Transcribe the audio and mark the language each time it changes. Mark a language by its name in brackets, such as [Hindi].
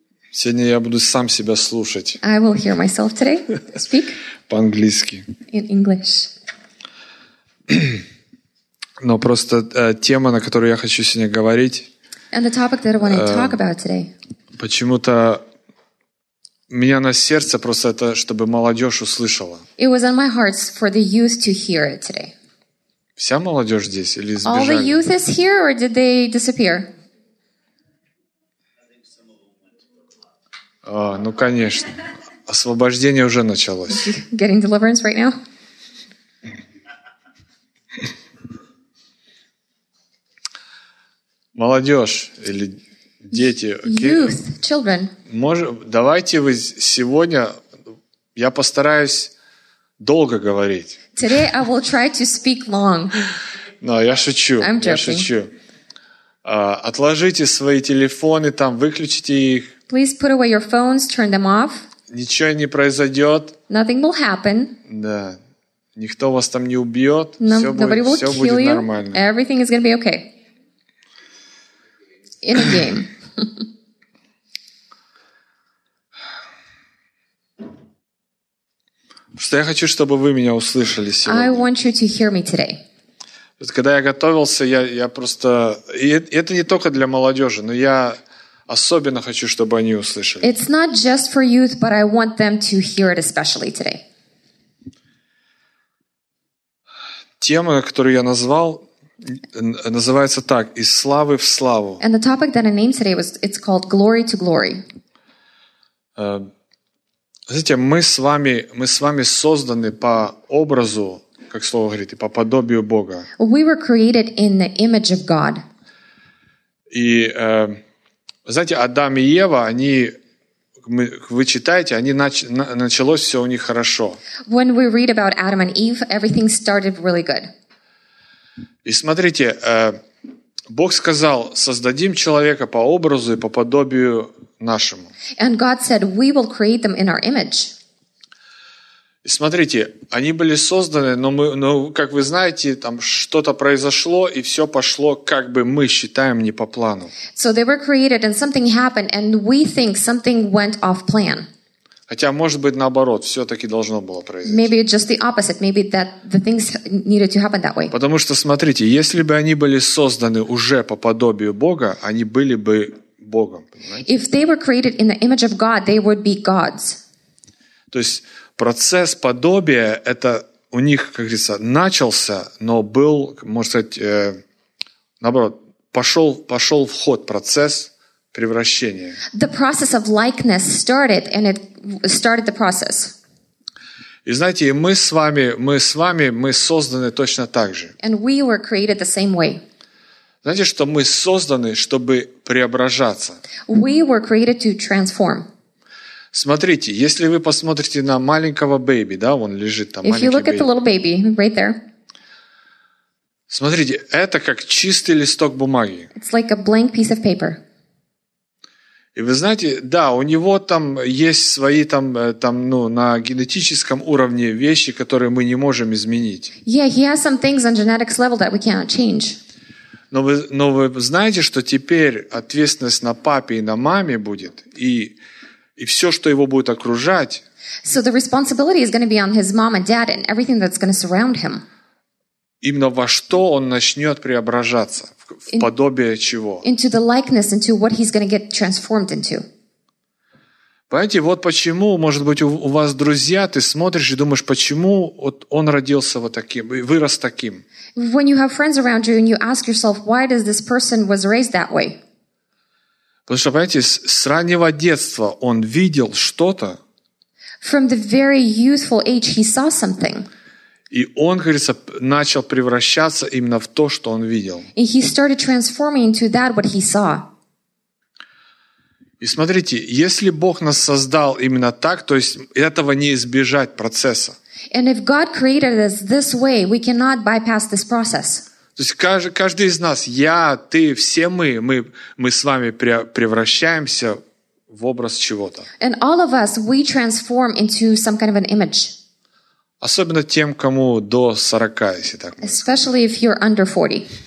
[Russian] Сегодня я буду сам себя слушать. [English] I will hear myself today. Speak. [Russian] По-английски. [English] In English. [Russian] Но просто тема, на которую я хочу сегодня говорить. [English] And the topic that I want to talk about today. [Russian] Почему-то у меня на сердце просто это, чтобы молодежь услышала. [English] It was on my heart for the youth to hear it today. [Russian] Вся молодежь здесь или сбежали? [English] All the youth is here, or did they disappear? [Russian] А, ну конечно. Освобождение уже началось. [English] Getting deliverance right now? [Russian] Молодежь или дети? [English] Youth, children. [Russian] Давайте вы сегодня, я постараюсь долго говорить. [English] Today I will try to speak long. [Russian] No, я шучу. [English] I'm joking. [Russian] Я шучу. Отложите свои телефоны там, выключите их. [English] Please put away your phones, turn them off. [Russian] Ничего не произойдет. [English] Nothing will happen. [Russian] Да. Никто вас там не убьет. Все будет нормально. [English] Everything is going to be okay. In a game. [Russian] Что я хочу, чтобы вы меня услышали сегодня. [English] I want you to hear me today. [Russian] Когда я готовился, я просто... И это не только для молодежи, но я особенно хочу, чтобы они услышали. [English] It's not just for youth, but I want them to hear it especially today. [Russian] Тема, которую я назвал, называется так, «Из славы в славу». [English] And the topic that I named today was, it's called «Glory to Glory». [Russian] Знаете, мы с вами созданы по образу, как слово говорит, и по подобию Бога. [English] We were created in the image of God. [Russian] И, знаете, Адам и Ева, они, вы читаете, они началось все у них хорошо. [English] When we read about Adam and Eve, everything started really good. [Russian] И смотрите, Бог сказал, создадим человека по образу и по подобию нашему. [English] And God said, we will create them in our image. [Russian] И смотрите, они были созданы, но как вы знаете, там что-то произошло, и все пошло, как бы мы считаем, не по плану. [English] So they were created and something happened, and we think something went off plan. [Russian] Хотя, может быть, наоборот, все-таки должно было произойти. [English] Maybe just the opposite. Maybe that the things needed to happen that way. [Russian] Потому что, смотрите, если бы они были созданы уже по подобию Бога, они были бы Богом, понимаете? [English] If they were created in the image of God, they would be gods. [Russian] То есть процесс подобия, это у них, как говорится, начался, но был, можно сказать, наоборот, пошел в ход процесс. Превращение. [English] The process of likeness started, and it started the process. [Russian] И знаете, мы созданы точно так же. [English] And we were created the same way. [Russian] Знаете, что мы созданы, чтобы преображаться. [English] We were created to transform. [Russian] Смотрите, если вы посмотрите на маленького бэби, да, он лежит там. [English] If you look at the little baby right there. [Russian] Смотрите, это как чистый листок бумаги. [English] It's like a blank piece of paper. [Russian] И вы знаете, да, у него там есть свои там, ну, на генетическом уровне вещи, которые мы не можем изменить. [English] Yeah, he has some things on genetics level that we cannot change. [Russian] Но вы знаете, что теперь ответственность на папе и на маме будет, и все, что его будет окружать. [English] So the responsibility is going to be on his mom and dad and everything that's going to surround him. [Russian] Именно во что он начнет преображаться. В подобие чего? [English] Into the likeness, into what he's going to get transformed into. [Russian] Понимаете, вот почему, может быть, у вас друзья, ты смотришь и думаешь, почему вот он родился вот таким, вырос таким? [English] When you have friends around you and you ask yourself, why does this person was raised that way? [Russian] Потому что, понимаете, с раннего детства он видел что-то. [English] From the very youthful age he saw something. [Russian] И он, как говорится, начал превращаться именно в то, что он видел. [English] And he started transforming into that what he saw. [Russian] И смотрите, если Бог нас создал именно так, то есть этого не избежать процесса. [English] And if God created us this way, we cannot bypass this process. [Russian] То есть каждый из нас, я, ты, все мы с вами превращаемся в образ чего-то. [English] And all of us, we transform into some kind of an image. [Russian] Особенно тем, кому до 40, если так можно. [English] Especially if you're under 40.